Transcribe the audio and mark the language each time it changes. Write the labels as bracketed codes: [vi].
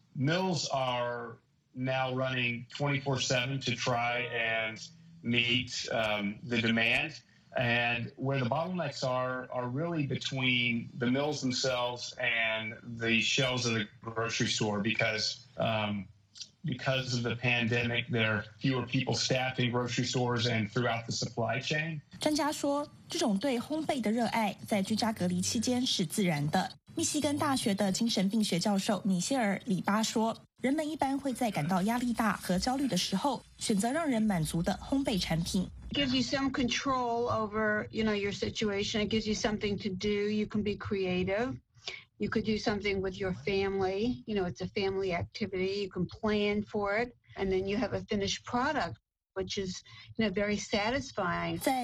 [en] Mills are now running 24/7 to try and meet the demand. And where the bottlenecks are really between the mills themselves and the shelves of the grocery store, because of the pandemic, there are fewer people staffing grocery stores and throughout the supply chain. [zh] 专家说，这种对烘焙的热爱在居家隔离期间是自然的。密西根大学的精神病学教授米歇尔·里巴说。人们一般会在感到压力大和焦虑的时候，选择让人满足的烘焙产品。 [en] It gives you some control over, you know, your situation. It gives you something to do. You can be creative. You could do something with your family. You know, it's a family activity. You can plan for it, and then you have a finished product, which is, you know, very satisfying.